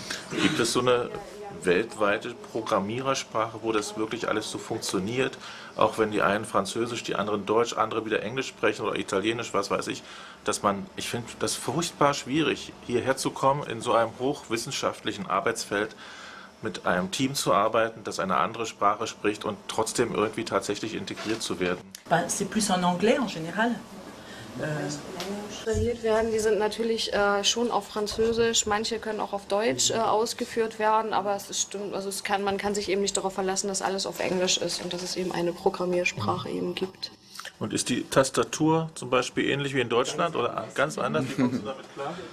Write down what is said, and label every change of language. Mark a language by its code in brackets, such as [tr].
[de] Gibt es so eine weltweite Programmierersprache, wo das wirklich alles so funktioniert, auch wenn die einen Französisch, die anderen Deutsch, andere wieder Englisch sprechen oder Italienisch, was weiß ich, dass man, ich finde das furchtbar schwierig, hierher zu kommen, in so einem hochwissenschaftlichen Arbeitsfeld mit einem Team zu arbeiten, das eine andere Sprache spricht und trotzdem irgendwie tatsächlich integriert zu werden. [fr] C'est plus en anglais en général. [de] trainiert werden. Die sind natürlich schon auf Französisch. Manche können auch auf Deutsch ausgeführt werden. Aber es ist stimmt, also es kann, man kann sich eben nicht darauf verlassen, dass alles auf Englisch ist und dass es eben eine Programmiersprache eben gibt. Und ist die Tastatur zum Beispiel ähnlich wie in Deutschland oder ganz anders? Wie kommst du damit klar?